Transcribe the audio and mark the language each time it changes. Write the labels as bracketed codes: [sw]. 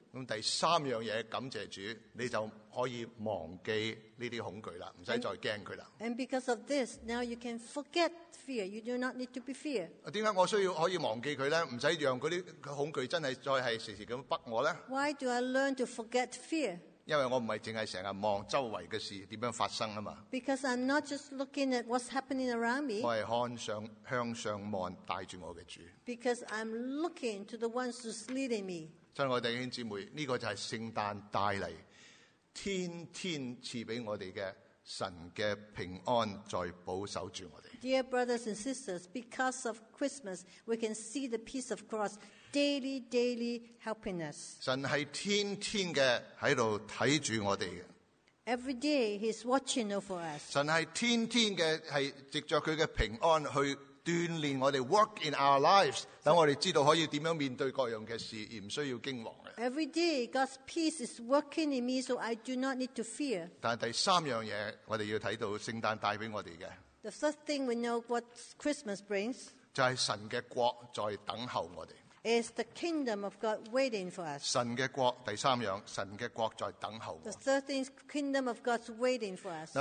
[zh] 那第三样东西，感谢主，你就可以忘记这些恐惧了，不用再惊它了。 [en] And because of this, now you can forget fear. You do not need to be fear. [zh] 为什么我需要可以忘记它呢？不用让那些恐惧真的再是时时地逼我呢？ [en] Why do I learn to forget fear? [zh] 因为我不是只是经常望周围的事怎样发生嘛。 [en] Because I'm not just looking at what's happening around me. [zh] 我是向上望，带着我的主。 [en] Because I'm looking to the ones who's leading me. [zh] 亲爱的弟兄姊妹，这个就是圣诞带来天天赐给我们的神的平安，在保守着我们。 [en] Dear brothers and sisters, because of Christmas, we can see the peace of God daily, daily helping us. [zh] 神是天天的在这里看着我们的。 [en] Every day, He's watching over us. [zh] 神是天天的是藉着祂的平安去锻炼我们 [en] work in our lives, [zh] 让我们知道可以怎样面对各样的事，而不需要惊惶。 [en] Every day, God's peace is working in me, so I do not need to fear. [zh] 但第三样东西，我们要看到圣诞带给我们的。 [en] The first thing we know what Christmas brings, [zh] 就是神的国在等候我们。 [en] Is the kingdom of God waiting for us? [zh] 神的国第三样，神的国在等候我。 [en] The third thing is kingdom of God's waiting for us.